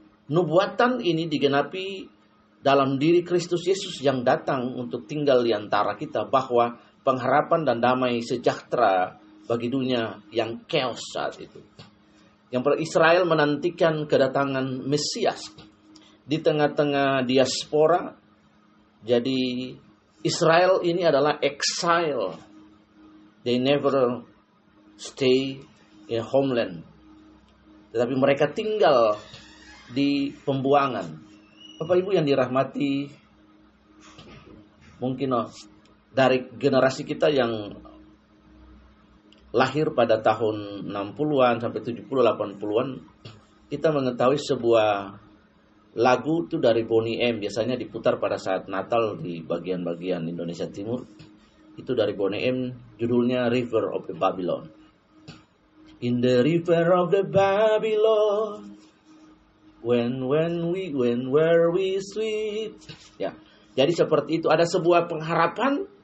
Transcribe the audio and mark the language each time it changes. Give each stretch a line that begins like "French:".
Indonesian: Nubuatan ini digenapi dalam diri Kristus Yesus yang datang untuk tinggal di antara kita, bahwa pengharapan dan damai sejahtera bagi dunia yang chaos saat itu. Yang Israel menantikan kedatangan Mesias di tengah-tengah diaspora. Jadi Israel ini adalah exile.
English: They never stay in homeland.
Indonesian: Tetapi mereka tinggal di pembuangan. Bapak Ibu yang dirahmati, mungkin dari generasi kita yang lahir pada tahun 60-an sampai 70-80-an, kita mengetahui sebuah lagu itu dari Bonnie M, biasanya diputar pada saat Natal di bagian-bagian Indonesia Timur. Itu dari Bonnie M, judulnya River of the Babylon.
English: In the river of the Babylon, when we sweep.
Indonesian: Ya. Jadi seperti itu, ada sebuah pengharapan.